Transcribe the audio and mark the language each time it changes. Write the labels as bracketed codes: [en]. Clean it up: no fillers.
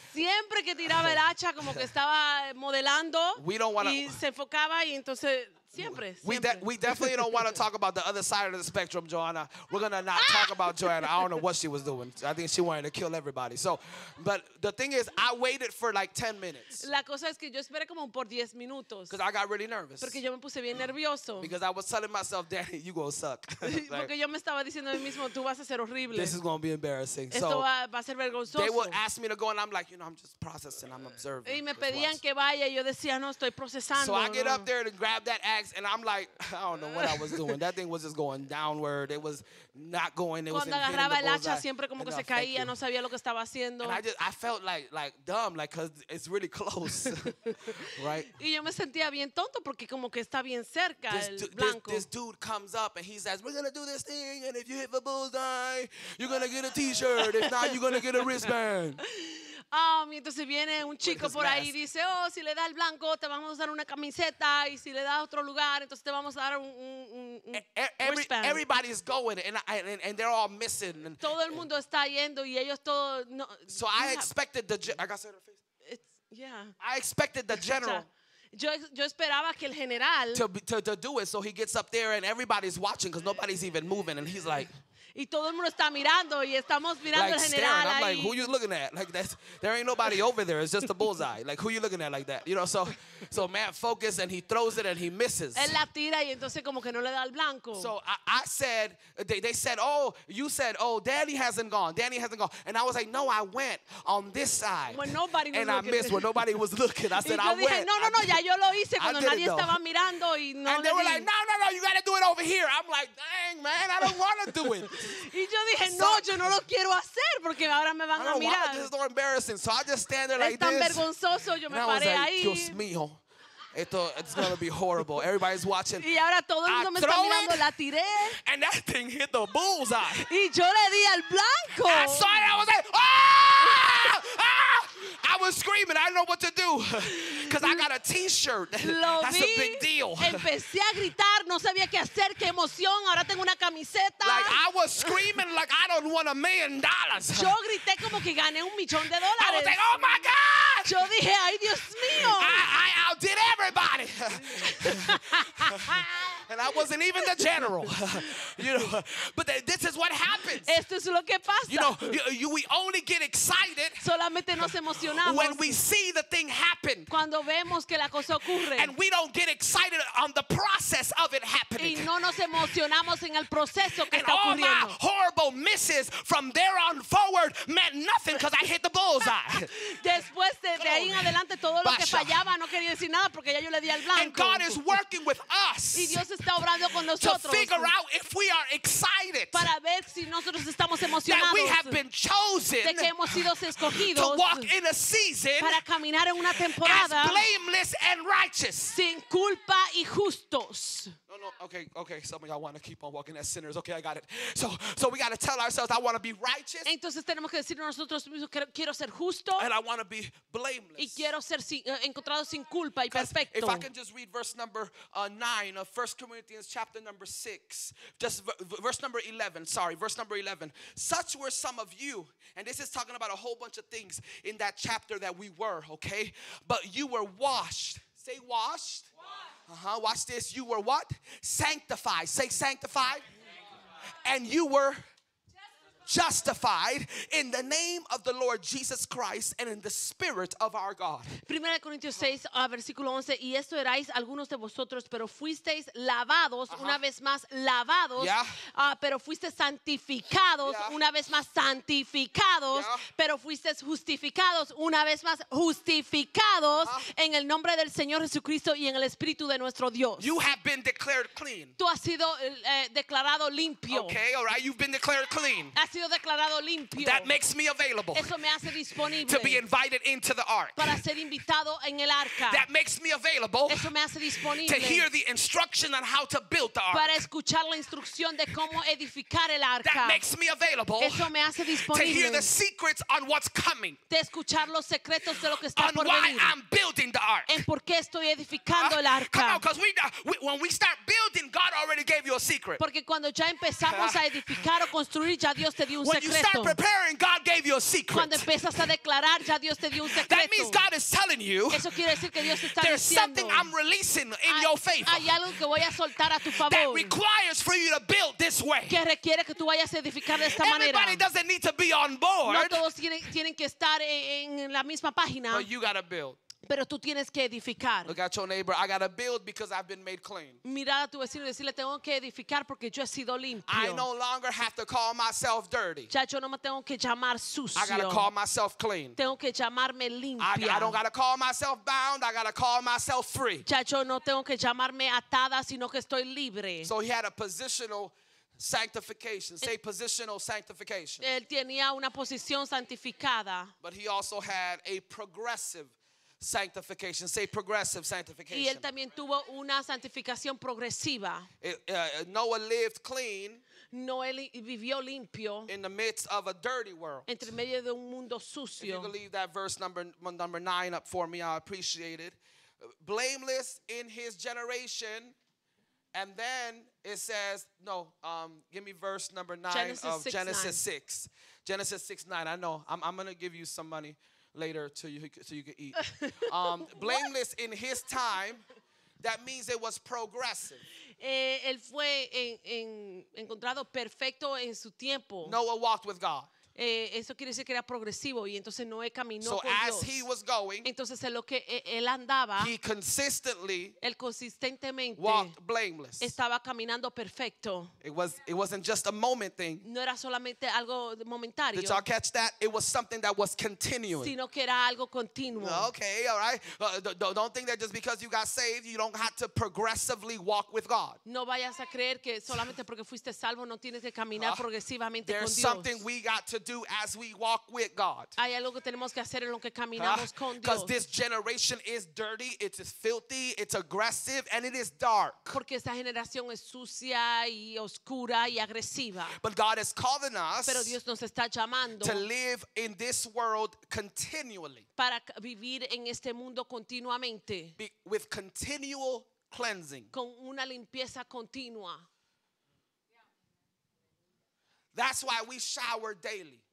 [es] Siempre que tiraba el hacha como que estaba modelando. [en] We don't want to. [es] Y se enfocaba y entonces siempre. [en] We definitely don't want to talk about the other side of the spectrum, Joanna. We're gonna not talk about Joanna. I don't know what she was doing. I think she wanted to kill everybody. So, but the thing is, I waited for like 10 minutes. [es] La cosa es que yo esperé como por 10 minutos. [en] Because I got really nervous. [es] Porque yo me puse bien nervioso. [en] Because I was telling myself, Danny, you gonna suck. Like, [es] porque yo me estaba diciendo a mí mismo, tú vas a ser horrible. [en] This is gonna be embarrassing. [es] Esto va a ser vergonzoso. [en] They would ask me to go, and I'm like, you know, I'm just processing. I'm observing. [es] Y me pedían que vaya, yo decía, no, estoy procesando. [en] So I get up there to grab that axe. And I'm like, I don't know what I was doing. That thing was just going downward. It was not going. It [es] cuando [en] was hitting the bullseye. [es] Hacha, siempre como que se caía, no sabía lo que estaba haciendo. [en] And I felt like dumb, like because it's really close, right? [es] Y yo me sentía bien tonto porque como que está bien cerca el blanco. [en] This dude comes up and he says, "We're gonna do this thing, and if you hit the bullseye, you're gonna get a T-shirt. If not, you're gonna get a wristband." [es] Entonces viene un chico por ahí y dice, oh, si le da el blanco, te vamos a dar una camiseta, y si le da otro lugar, entonces te vamos a dar un wristband. [en] Everybody's going, and they're all missing. [es] Todo el mundo está yendo, y ellos todos... [en] No, so I expected the... I got to say the face. Yeah. I expected the general... [es] Yo esperaba que el general... [en] To do it, so he gets up there, and everybody's watching, because nobody's even moving, and he's like... [es] Y todo el mundo está mirando y estamos mirando [en] like [es] el general. ahí. [en] Like, who you looking at? Like that's there ain't nobody over there. It's just a bullseye. Like who you looking at like that? You know, so Matt focuses and he throws it and he misses. [es] Él la tira y entonces como que no le da al blanco. [en] So I said they said, oh, you said, oh, Danny hasn't gone. Danny hasn't gone. And I was like, no, I went on this side. When nobody was and looking. I missed when nobody was looking. I said, [es] y yo dije, [en] I went. [es] No, ya yo lo hice cuando nadie estaba mirando y no. [en] And they were like, no, you gotta do it over here. I'm like, dang, man, I don't wanna do it. [es] Y yo dije, no, yo no lo quiero hacer porque ahora me van a mirar. [en] Why, this is so embarrassing. So I just stand there like [es] es tan [en] this. [es] Vergonzoso, yo me [en] and [es] paré [en] like, [es] ahí. Dios mío, esto, [en] it's going to be horrible. Everybody's watching. [es] Y ahora todo el mundo [en] I [es] me está mirando, [en] it, [es] la tiré. [en] And that thing hit the bullseye. [es] Y yo le di al blanco. [en] I saw it, I was like, ah! I was screaming, I didn't know what to do. Because I got a T-shirt. That's [es] vi, [en] a big deal. [es] Empecé a gritar, no sabía qué hacer, qué emoción. Ahora tengo una camiseta. [en] Like, I was screaming like I don't want $1,000,000. [es] Yo grité como que gané $1,000,000. [en] I was like, oh, my God. [es] Yo dije, ay, Dios mío. [en] I outdid everybody. And I wasn't even the general. You know, but this is what happens. [es] Esto es lo que pasa. [en] You know, we only get excited [es] solamente nos emocionamos [en] when we see the thing happen. [es] Cuando vemos que la cosa ocurre. [en] And we don't get excited on the process of it happening. [es] Y no nos emocionamos en el proceso que [en] and [es] está ocurriendo. [en] All my horrible misses from there on forward meant nothing because I hit the bullseye. [es] Después de ahí en adelante, todo lo que fallaba no quería decir nada porque ya yo le di al blanco. [en] And God is working with us. [es] Dios está obrando con nosotros. [en] To figure out if we are excited. [es] Para ver si nosotros estamos emocionados. [en] That we have been chosen. [es] De que hemos sido escogidos. [en] To walk in a season. [es] Para caminar en una temporada. [en] As blameless and righteous. [es] Sin culpa y justos. [en] No, okay. Some of y'all want to keep on walking as sinners. Okay, I got it. So we got to tell ourselves, I want to be righteous. [es] Entonces tenemos que decir nosotros mismos que quiero ser justo. [en] And I want to be blameless. [es] Y quiero ser encontrado sin culpa y perfecto. [en] If I can just read verse number 9 of 1 Corinthians chapter number 6, just verse number 11. Such were some of you, and this is talking about a whole bunch of things in that chapter that we were, okay? But you were washed. Say washed. Uh-huh. Watch this. You were what? Sanctified. Say sanctified. And you were justified in the name of the Lord Jesus Christ and in the Spirit of our God. [es] 1 Corintios 6, versículo 11. Y esto erais algunos de vosotros, pero fuisteis lavados, una vez más lavados. [en] Yeah. [es] Pero fuisteis santificados, una vez más santificados. [en] Yeah. [es] Pero fuisteis justificados, una vez más justificados. Uh-huh. En el nombre del Señor Jesucristo y en el Espíritu de nuestro Dios. [en] You have been declared clean. [es] Tú has sido declarado limpio. [en] Okay, all right. You've been declared clean. [es] Así sido declarado limpio. [en] That makes me available. [es] Eso me hace disponible. [en] To be invited into the ark. [es] Para ser invitado en el arca. [en] That makes me available. [es] Eso me hace disponible. [en] To hear the instruction on how to build the ark. [es] Para escuchar la instrucción de cómo edificar el arca. [en] That makes me available. [es] Eso me hace disponible. [en] To hear the secrets on what's coming. [es] De escuchar los secretos de lo que está [en] on [es] por [en] why [es] venir. [en] I'm building the ark. [es] En por qué estoy edificando el arca. [en] Come on, because when we start building, God already gave you a secret. [es] Porque cuando ya empezamos a edificar o construir, ya Dios te dio un secreto. [en] When you start preparing, God gave you a secret. [es] Cuando empiezas a declarar, ya Dios te dio un secreto. [en] That means God is telling you. [es] Eso quiere decir que Dios está [en] there's [es] diciendo. [en] There's something I'm releasing in your favor. [es] Hay algo que voy a soltar a tu favor. [en] That requires for you to build this way. [es] Que requiere que tú vayas a edificar de esta manera. [en] Everybody doesn't need to be on board. [es] No todos tienen que estar en la misma página. [en] But you gotta build. [es] Pero tú tienes que edificar. [en] Look at your neighbor. I gotta build because I've been made clean. [es] Mira a tu vecino y decirle tengo que edificar porque yo he sido limpio. [en] I no longer have to call myself dirty. [es] Ya yo no me tengo que llamar sucio. [en] I gotta call myself clean. [es] Tengo que llamarme limpio. [en] I don't gotta call myself bound. I gotta call myself free. [es] Ya yo no tengo que llamarme atada sino que estoy libre. [en] So he had a positional sanctification. Say positional sanctification. [es] Él tenía una posición santificada. [en] But he also had a progressive sanctification. Say progressive sanctification. [es] Y él también tuvo una santificación progresiva. [en] Noah lived clean. [es] Noé vivió limpio. [en] In the midst of a dirty world. [es] Entre medio de un mundo sucio. [en] If you leave that verse number 9 up for me, I appreciate it. Blameless in his generation. And then it says, give me verse number 9 Genesis 6. Genesis 6, 9. I know. I'm going to give you some money later so you can eat. blameless in his time, that means it was progressive. [es] Él fue encontrado perfecto en su tiempo. [en] Noah walked with God. [es] Eso quiere decir que era progresivo y entonces Noé caminó con Dios. [en] He was going, [es] entonces en lo que él andaba, [en] he consistently [es] él consistentemente [en] walked blameless. [es] Estaba caminando perfecto. [en] It wasn't just a moment thing. [es] No era solamente algo momentario. [en] Did y'all catch that? It was something that was continuing. [es] Sino que era algo continuo. [en] Okay, all right. Don't think that just because you got saved, you don't have to progressively walk with God. [es] No vayas a creer que solamente porque fuiste salvo no tienes que caminar progresivamente con Dios. [en] There's something we got to do as we walk with God. [es] Hay algo que tenemos que hacer en lo que caminamos con Dios. [en] Because this generation is dirty, it's filthy, it's aggressive, and it is dark. [es] Porque esta generación es sucia y oscura y agresiva. [en] But God is calling us. [es] Pero Dios nos está llamando. [en] To live in this world continually. [es] Para vivir en este mundo continuamente. [en] With continual cleansing. [es] Con una limpieza continua. [en] That's why we shower daily.